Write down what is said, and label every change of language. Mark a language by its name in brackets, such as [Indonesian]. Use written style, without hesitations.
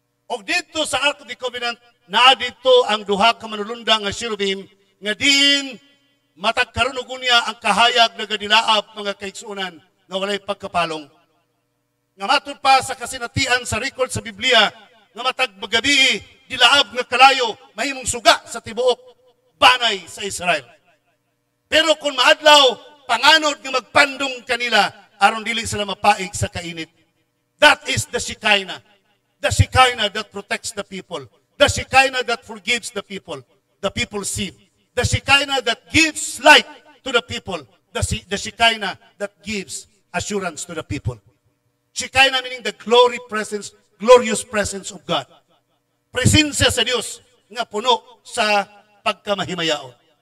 [Cebuano] O dito sa Ark of the Covenant, na dito ang duha ka manulunda nga cherubim, nga din matagkaroon o gunya ang kahayag na gadilaab mga kaigsunan na walay pagkapalong. Nga matod pa sa kasinatian sa record sa Biblia, nga matagbagabi, dilaab nga kalayo, mahimong suga sa tibuok, banay sa Israel. Pero kung maadlaw, panganod nga magpandong kanila, aron dili sila mapaig sa kainit. [English] That is the Shekinah. The Shekinah that protects the people. The Shekinah that forgives the people's sin. The Shekinah that gives light to the people. The Shekinah that gives assurance to the people. Shekinah meaning the glory presence, glorious presence of God. [Cebuano] Presensya sa Dios nga puno sa pagkamahimayaon.